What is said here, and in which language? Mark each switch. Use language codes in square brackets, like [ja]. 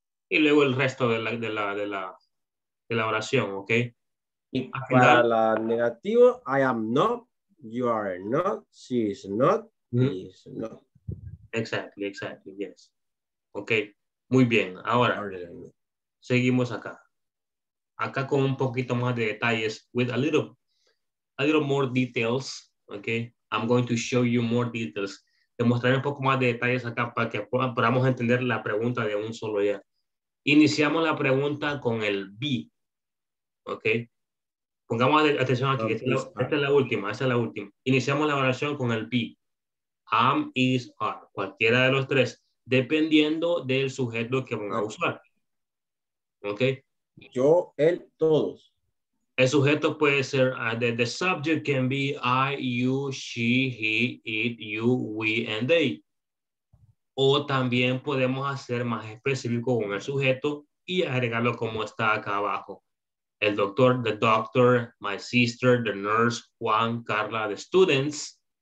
[es] Y luego el resto de la oración, ¿ok? Y para la negativa, [en] I am not, you are not, she is not, he is not. Exactly, yes. Ok, [es] muy bien. Ahora, seguimos acá. Acá con un poquito más de detalles, [en] with a little more details, [es] ok? [en] I'm going to show you more details. [es] Te mostraré un poco más de detalles acá para que podamos entender la pregunta de un solo día. Iniciamos la pregunta con el be. Ok, pongamos atención aquí. Esta es la última. Iniciamos la oración con el be. [en] Am, is, are. [es] Cualquiera de los tres, dependiendo del sujeto que vamos a usar. [en] Okay. [es] Yo, él, todos. El sujeto puede ser, [en] the subject can be I, you, she, he, it, you, we, and they. [es] O también podemos hacer más específico con el sujeto y agregarlo como está acá abajo. El doctor, [en] the doctor, my sister, the nurse, Juan, Carla, the students.